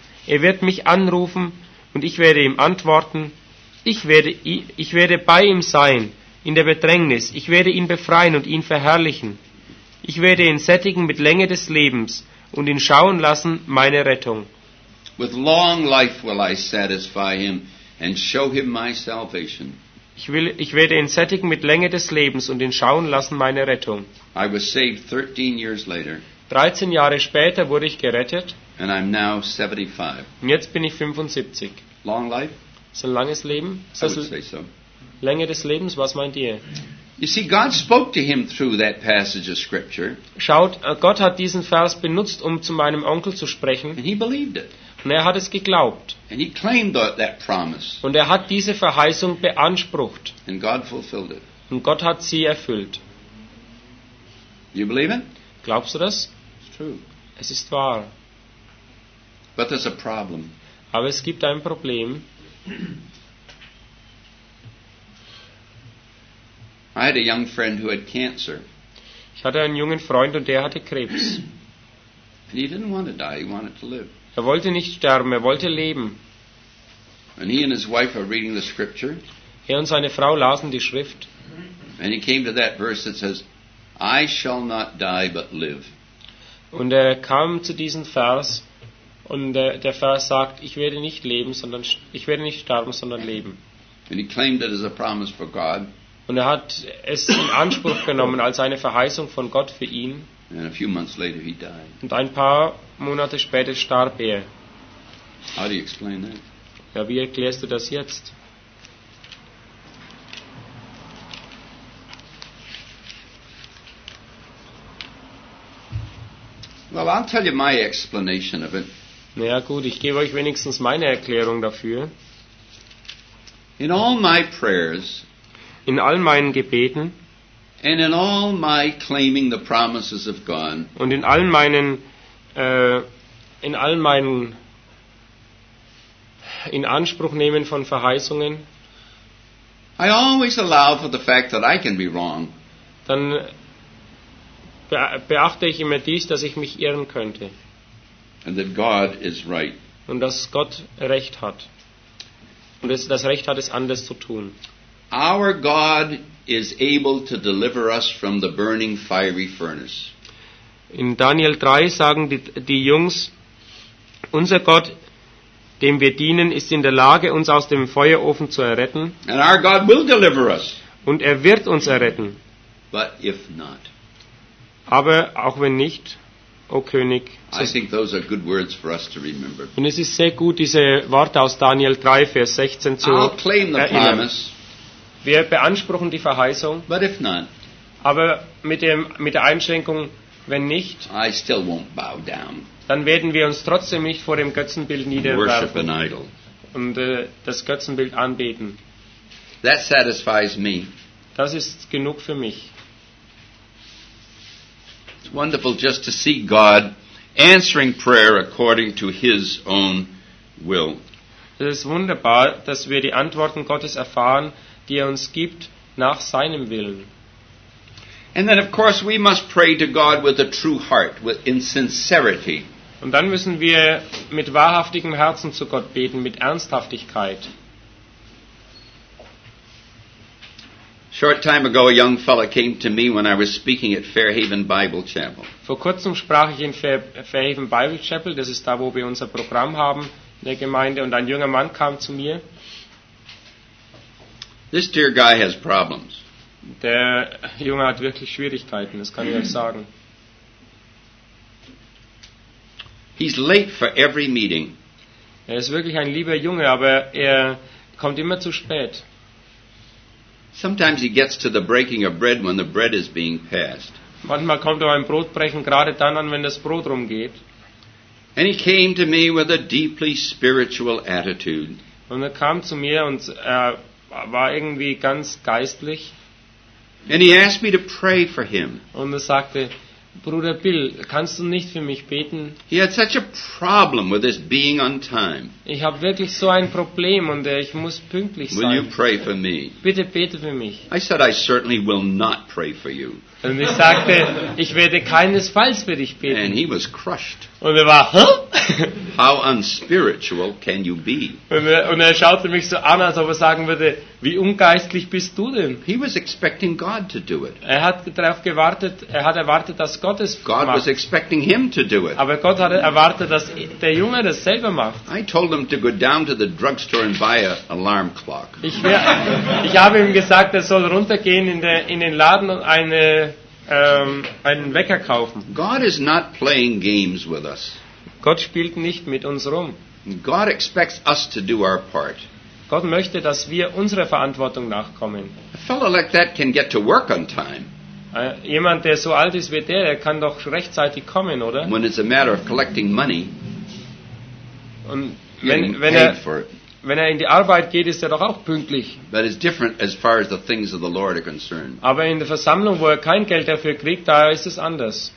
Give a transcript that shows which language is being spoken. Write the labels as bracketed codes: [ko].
[de] Er wird mich anrufen und ich werde ihm antworten. Ich werde bei ihm sein in der Bedrängnis. Ich werde ihn befreien und ihn verherrlichen. Ich werde ihn sättigen mit Länge des Lebens und ihn schauen lassen meine Rettung. [en] With long life will I satisfy him and show him my salvation. [de] Ich werde ihn sättigen mit Länge des Lebens und ihn schauen lassen meine Rettung. [en] I was saved 13 years later. [de] 13 Jahre später wurde ich gerettet. [en] And I'm now 75. [de] Und jetzt bin ich 75. [en] Long life? [de] So ein langes Leben? [en] I would say so. [de] Länge des Lebens, was meint ihr? [en] You see, God spoke to him through that passage of scripture. [de] Schaut, Gott hat diesen Vers benutzt, um zu meinem Onkel zu sprechen. [en] And he believed it. [de] Und er hat es geglaubt. [en] And he claimed that promise. [de] Und er hat diese Verheißung beansprucht. [en] And God fulfilled it. [de] Und Gott hat sie erfüllt. [en] You believe it? [de] Glaubst du das? [en] It's true. [de] Es ist wahr. [en] But there's a problem. [de] Aber es gibt ein Problem. [en] I had a young friend who had cancer. [de] Ich hatte einen jungen Freund und der hatte Krebs. [en] And he didn't want to die, he wanted to live. [de] Er wollte nicht sterben, er wollte leben. [en] And he and his wife were reading the scripture. [de] Er und seine Frau lasen die Schrift. [en] And he came to that verse that says, I shall not die but live. [de] Und er kam zu diesem Vers und der Vers sagt, ich werde nicht sterben, sondern leben. [en] And he claimed it as a promise for God. [de] Und er hat es in Anspruch genommen als eine Verheißung von Gott für ihn. [en] And a few months later he died. [de] Und ein paar Monate später starb er. [en] How do you explain that? [de] Ja, wie erklärst du das jetzt? [en] Well, I'll tell you my explanation of it. [de] Ja, gut, ich gebe euch wenigstens meine Erklärung dafür. [en] In all my prayers, [de] in all meinen Gebeten, [en] and in all my claiming the promises of God, [de] und in all meinen in Anspruch nehmen von Verheißungen, [en] I always allow for the fact that I can be wrong. [de] Dann beachte ich immer dies, dass ich mich irren könnte. [en] And that God is right. [de] Und dass Gott Recht hat. Und das Recht hat, es anders zu tun. [en] Our God is able to deliver us from the burning fiery furnace. [de] In Daniel 3 sagen die Jungs, unser Gott, dem wir dienen, ist in der Lage, uns aus dem Feuerofen zu erretten. [en] And our God will deliver us. [de] Und er wird uns erretten. [en] But if not. [de] Aber auch wenn nicht, o König. [en] So, I think those are good words for us to remember. [de] Und es ist sehr gut, diese Worte aus Daniel 3, Vers 16 zu erinnern. Wir beanspruchen die Verheißung. [en] But if not, [de] aber mit der Einschränkung, wenn nicht, [en] I still won't bow down. [de] Dann werden wir uns trotzdem nicht vor dem Götzenbild niederwerfen und das Götzenbild anbeten. [en] That satisfies me. [de] Das ist genug für mich. [en] It's wonderful just to see God answering prayer according to His own will. [de] Es ist wunderbar, dass wir die Antworten Gottes erfahren, die er uns gibt, nach seinem Willen. [en] And then, of course, we must pray to God with a true heart, with in sincerity. [de] Und dann müssen wir mit wahrhaftigem Herzen zu Gott beten, mit Ernsthaftigkeit. [en] Short time ago, a young fellow came to me when I was speaking at Fairhaven Bible Chapel. [de] Vor kurzem sprach ich in Fairhaven Bible Chapel. Das ist da, wo wir unser Programm haben. in der Gemeinde und ein junger Mann kam zu mir. [en] This dear guy has problems. [de] Der Junge hat wirklich Schwierigkeiten, das kann ich euch sagen. [en] He's late for every meeting. [de] Er ist wirklich ein lieber Junge, aber er kommt immer zu spät. [en] Sometimes he gets to the breaking of bread when the bread is being passed. [de] Manchmal kommt er beim Brotbrechen gerade dann an, wenn das Brot rumgeht. [en] And he came to me with a deeply spiritual attitude. [de] Und er kam zu mir und er war irgendwie ganz geistlich. [en] And he asked me to pray for him. [de] Und er sagte, Bruder Bill, kannst du nicht für mich beten? [en] He had such a problem with this being on time. [de] Ich habe wirklich so ein Problem und ich muss pünktlich sein. [en] Will you pray for me? [de] Bitte bete für mich. [en] I said, I certainly will not pray for you. [de] Und ich sagte, ich werde keinesfalls für dich beten. [en] And he was crushed. [de] Und er war, huh? [en] How unspiritual can you be? [de] Und er schaute mich so an, als ob er sagen würde, wie ungeistlich bist du denn? [en] He was expecting God to do it. [de] Er hat darauf gewartet, er hat erwartet, dass Gott es [en] God [de] macht. [en] Was expecting him to do it. [de] Aber Gott hat erwartet, dass der Junge das selber macht. [en] I told him to go down to the drugstore and buy an alarm clock. [de] Ich habe ihm gesagt, er soll runtergehen in den Laden und einen Wecker kaufen. [en] God is not playing games with us. [de] Gott spielt nicht mit uns rum. [en] God expects us to do our part. [de] Gott möchte, dass wir unserer Verantwortung nachkommen. [en] A fellow like that can get to work on time. [de] Jemand, der so alt ist wie der kann doch rechtzeitig kommen, oder? [en] When it's a matter of collecting money. [de] Und wenn er in die Arbeit geht, ist er doch auch pünktlich. [en] But it's different as far as the things of the Lord are concerned. [de] Aber in der Versammlung, wo er kein Geld dafür kriegt, da ist es anders.